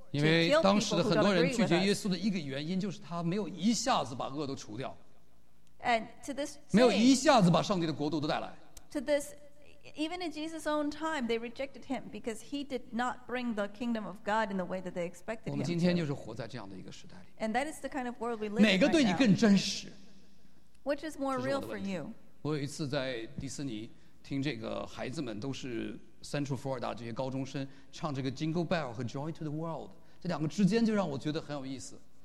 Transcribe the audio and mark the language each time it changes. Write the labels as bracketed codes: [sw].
[zh] 因为当时的很多人拒绝耶稣的一个原因，就是他没有一下子把恶都除掉。 [en] And to this, [zh] 没有一下子把上帝的国度都带来。 [en] To this, even in Jesus' own time, they rejected him because he did not bring the kingdom of God in the way that they expected him. [zh] 我们今天就是活在这样的一个时代里。 [en] And that is the kind of world we live in. [zh] 哪个对你更真实 [en] ？Which is more real for you? [zh] 我有一次在迪士尼听这个孩子们都是。 Central Florida 这些高中生唱这个 Jingle Bell 和 Joy to the World， 这两个之间就让我觉得很有意思。